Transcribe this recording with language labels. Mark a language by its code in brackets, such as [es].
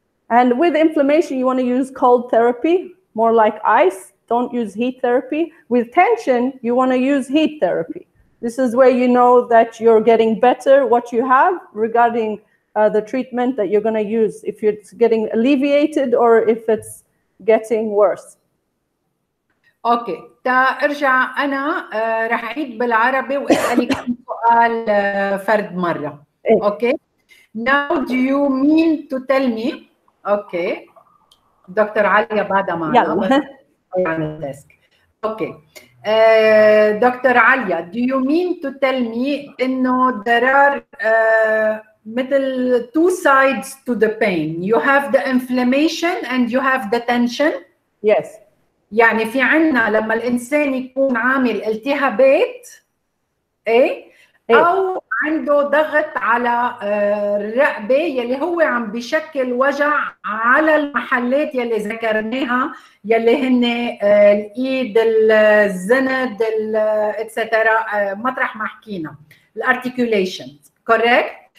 [en] And with inflammation, you want to use cold therapy, more like ice. Don't use heat therapy. With tension, you want to use heat therapy. This is where you know that you're getting better what you have regarding the treatment that you're going to use, if it's getting alleviated or if it's getting worse. [ar] اوكي تا ارجع انا راح اعيد بالعربي واسالك سؤال فرد مره اوكي [en] now do you mean to tell me [ar] اوكي دكتور عليا بعد ما يلا يعني الديسك اوكي دكتور عليا [en] do you mean to tell me [ar] انه [en] there are [ar] مثل [en] two sides to the pain you have the inflammation and you have the tension yes [ar] يعني في عنا لما الإنسان يكون عامل التهابات أو عنده ضغط على الرقبة يلي هو عم بيشكل وجع على المحلات يلي ذكرناها يلي هن الإيد الزند إتسترا مطرح ما حكينا الارتيكوليشن كوريكت